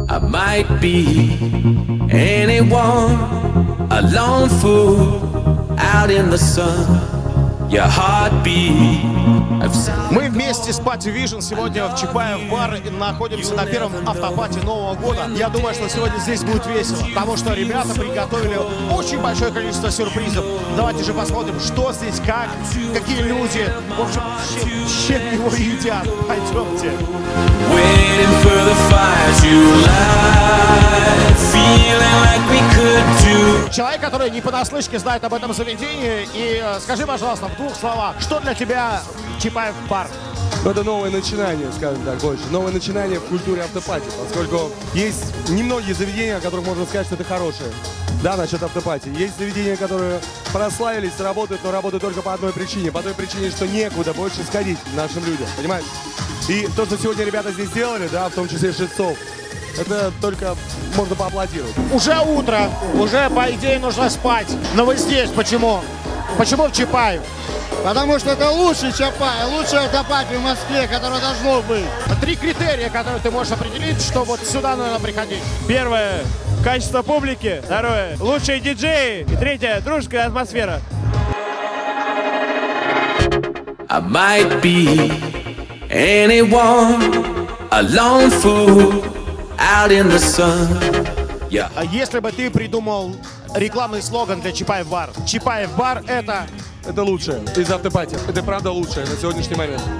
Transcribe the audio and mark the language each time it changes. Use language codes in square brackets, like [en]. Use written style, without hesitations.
[en] might be anyone, a lone fool out in the sun. Your heartbeat. [ru] Мы вместе с Party Vision сегодня в Чапаев бар и находимся на первом автопати Нового года. Я думаю, что сегодня здесь будет весело, потому что ребята приготовили очень большое количество сюрпризов. Давайте же посмотрим, что здесь, как, какие люди, в общем, чем его едят. Пойдемте. [en] Waiting for the fire to light, feeling like we could do. [ru] Человек, который не понаслышке знает об этом заведении, и скажи, пожалуйста, в двух словах, что для тебя Чапаев бар? Это новое начинание, скажем так, больше. Новое начинание в культуре автопати, поскольку есть немногие заведения, о которых можно сказать, что это хорошее. Да, насчет автопати. Есть заведения, которые прославились, работают, но работают только по одной причине. По той причине, что некуда больше сходить нашим людям, понимаете? И то, что сегодня ребята здесь сделали, да, в том числе шестов, это только можно поаплодировать. Уже утро, уже, по идее, нужно спать. Но вы здесь, почему? Почему в Чапаев? Потому что это лучший Чапаев, лучший автопати в Москве, которое должно быть. Три критерия, которые ты можешь определить, что вот сюда нужно приходить. Первое – качество публики. Второе – лучшие диджеи. И третье – дружеская атмосфера. [en] I might be anyone, a lone fool out in the sun. Yeah. [ru] А если бы ты придумал рекламный слоган для Чапаев бар? Чапаев бар – это… Это лучшее из автопати. Это правда лучшее на сегодняшний момент.